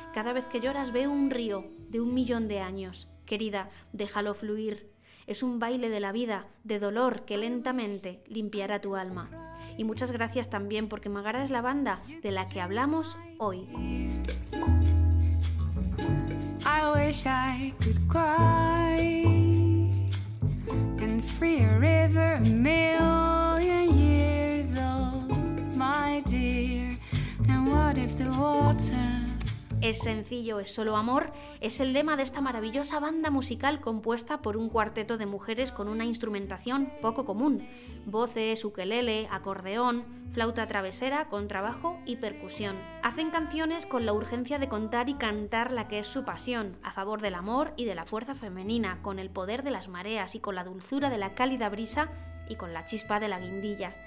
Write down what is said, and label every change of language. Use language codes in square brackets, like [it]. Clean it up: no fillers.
[es] Cada vez que lloras, veo un río de un millón de años. Querida, déjalo fluir. Es un baile de la vida, de dolor, que lentamente limpiará tu alma. Y muchas gracias también porque Magara es la banda de la que hablamos hoy. [en] I wish I could cry and free a river a million years old, my dear. And what if the water... [es] Es sencillo, es solo amor, es el lema de esta maravillosa banda musical compuesta por un cuarteto de mujeres con una instrumentación poco común: voces, ukelele, acordeón, flauta travesera, contrabajo y percusión. Hacen canciones con la urgencia de contar y cantar la que es su pasión, a favor del amor y de la fuerza femenina, con el poder de las mareas y con la dulzura de la cálida brisa y con la chispa de la guindilla.